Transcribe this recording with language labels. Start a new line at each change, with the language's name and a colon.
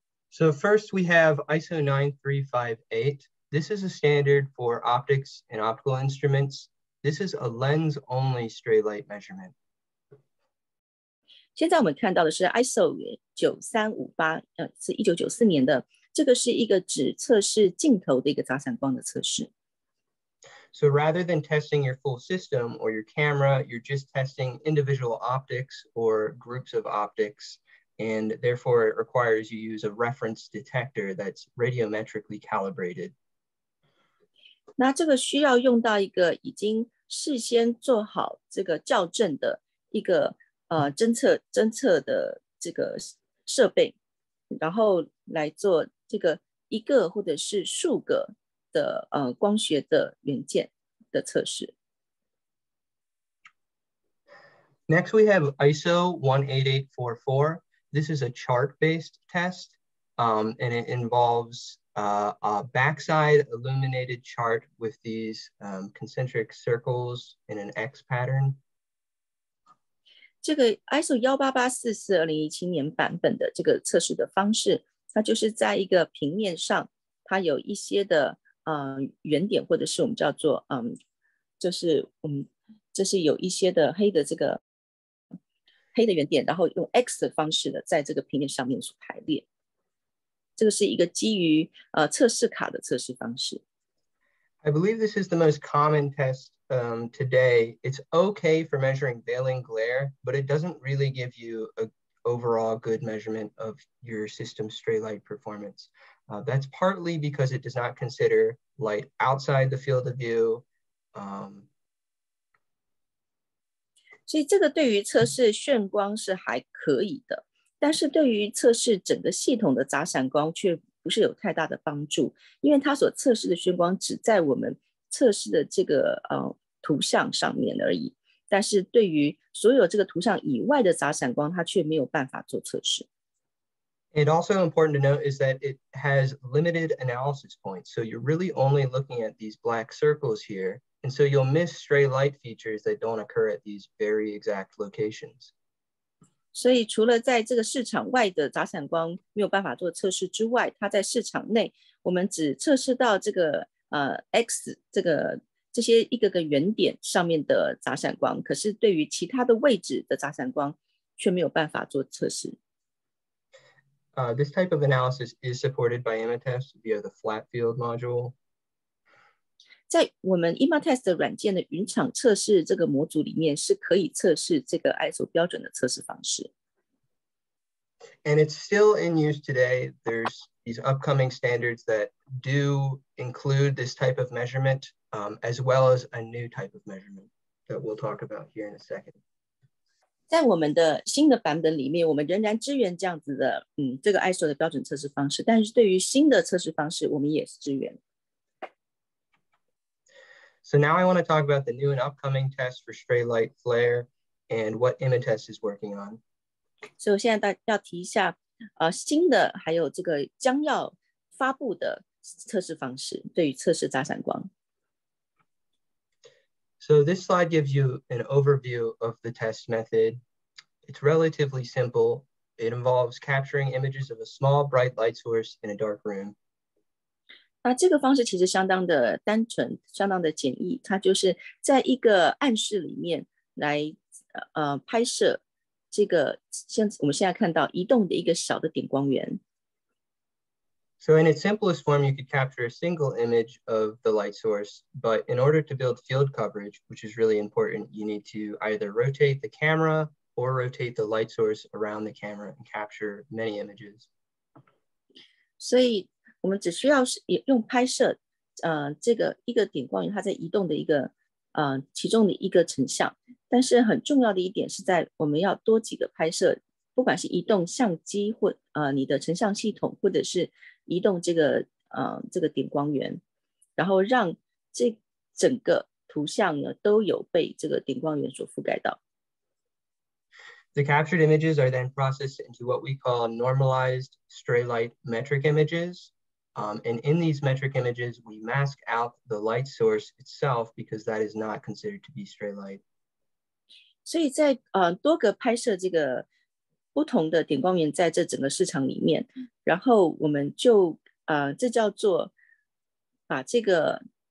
English: So first we have ISO 9358. This is a standard for optics and optical instruments. This is a lens-only stray light measurement.
Chinese: 现在我们看到的是 ISO 9358, 是1994年的，这个是一个只测试镜头的一个杂闪光的测试。
English: So rather than testing your full system or your camera, you're just testing individual optics or groups of optics, and therefore it requires you use a reference detector that's radiometrically calibrated.
Chinese: 那这个需要用到一个已经事先做好这个校正的一个侦测的这个设备，然后来做这个一个或者是数个的光学的元件的测试。
English: Next, we have ISO 18844. This is a chart-based test, and it involves a backside illuminated chart with these concentric circles in an X pattern.
Chinese: 这个 ISO 18844是2017年版本的这个测试的方式，它就是在一个平面上，它有一些的圆点，或者是我们叫做就是这是有一些的黑的这个黑的圆点，然后用 X 的方式的在这个平面上面所排列。这个是一个基于测试卡的测试方式。
English: I believe this is the most common test today. It's okay for measuring veiling glare, but it doesn't really give you a overall good measurement of your system's stray light performance. That's partly because it does not consider light outside the field of view.
Chinese: 所以这个对于测试眩光是还可以的，但是对于测试整个系统的杂闪光却不是有太大的帮助，因为它所测试的眩光只在我们测试的这个图像上面而已，但是对于所有这个图像以外的杂闪光它却没有办法做测试。
English: And also important to note is that it has limited analysis points, so you're really only looking at these black circles here, and so you'll miss stray light features that don't occur at these very exact locations.
Chinese: 所以除了在这个市场外的杂闪光没有办法做测试之外，它在市场内我们只测试到这个X 这些一个个圆点上面的杂闪光，可是对于其他的位置的杂闪光却没有办法做测试。
English: This type of analysis is supported by IMATEST via the flat field module.
Chinese: 在我们 IMATEST 的软件的云场测试这个模组里面是可以测试这个 ISO 标准的测试方式。
English: And it's still in use today. There's these upcoming standards that do include this type of measurement, as well as a new type of measurement that we'll talk about here in a second.
Chinese: 在我们的新的版本里面，我们仍然支援这样子的，这个 ISO 的标准测试方式，但是对于新的测试方式，我们也是支援。
English: So now I want to talk about the new and upcoming test for stray light flare and what IMATEST is working on.
Chinese: So 现在要提一下，新的还有这个将要发布的测试方式，对于测试杂闪光。
English: So this slide gives you an overview of the test method. It's relatively simple. It involves capturing images of a small bright light source in a dark room.
Chinese: 那这个方式其实相当的单纯，相当的简易。它就是在一个暗室里面来拍摄这个像我们现在看到移动的一个小的点光源。
English: So in its simplest form, you could capture a single image of the light source, but in order to build field coverage, which is really important, you need to either rotate the camera or rotate the light source around the camera and capture many images.
Chinese: 所以我们只需要用拍摄这个一个点光源它在移动的一个其中的一个成像，但是很重要的一点是在我们要多几个拍摄，不管是移动相机或你的成像系统，或者是移动这个点光源，然后让这整个图像呢都有被这个点光源所覆盖到。
English: The captured images are then processed into what we call normalized stray light metric images. And in these metric images, we mask out the light source itself because that is not considered to be stray light.
Chinese: 所以在多个拍摄这个不同的点光源在这整个市场里面，然后我们就这叫做把这个